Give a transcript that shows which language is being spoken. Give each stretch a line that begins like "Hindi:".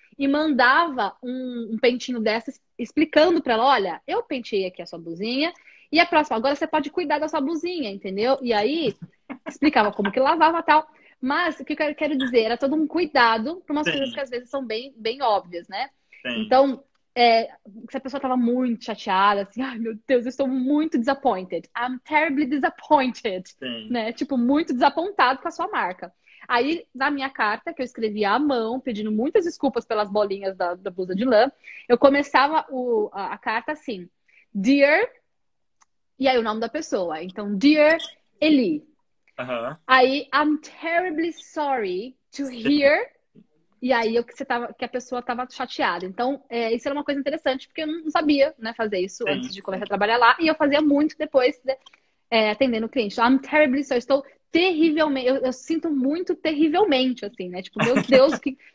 Portuguese: E mandava um pentinho dessas explicando para ela: olha, eu penteei aqui a sua blusinha, e a próxima, agora você pode cuidar da sua blusinha, entendeu? E aí explicava como que lavava e tal. Mas o que eu quero dizer, era todo um cuidado para umas coisas que às vezes são bem, bem óbvias, né? Então, se a pessoa tava muito chateada, assim, ai meu Deus, eu estou muito disappointed.
English: I'm terribly disappointed, né?
Portuguese: Tipo, muito desapontado com a sua marca. Aí, na minha carta, que eu escrevi à mão, pedindo muitas desculpas pelas bolinhas da blusa de lã, eu começava a carta assim: Dear, e aí o nome da pessoa. Então, Dear Eli.
English: Aí, I'm terribly sorry to hear.
Portuguese: E aí, que a pessoa estava chateada. Então, isso era uma coisa interessante, porque eu não sabia, né, fazer isso antes de começar a trabalhar lá. E eu fazia muito depois, atendendo o cliente.
English: I'm terribly sorry.
Portuguese: Estou terrivelmente, eu sinto muito terrivelmente, assim, né? Tipo, meu Deus, Eu que